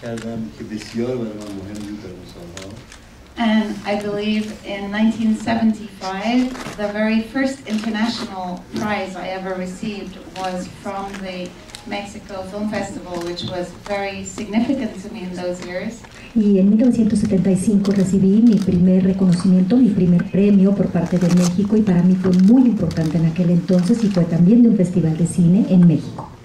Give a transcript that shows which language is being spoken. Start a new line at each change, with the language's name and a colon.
Persian: کردم که بسیار برای من مهم بود در اون سال‌ها.
English: And I believe in 1975, the very first international prize I ever received was from the Mexico Film Festival, which was very significant to me in those years.
Spanish: Y en 1975 recibí mi primer reconocimiento, mi primer premio por parte de México, y para mí fue muy importante en aquel entonces, y fue también de un festival de cine en México.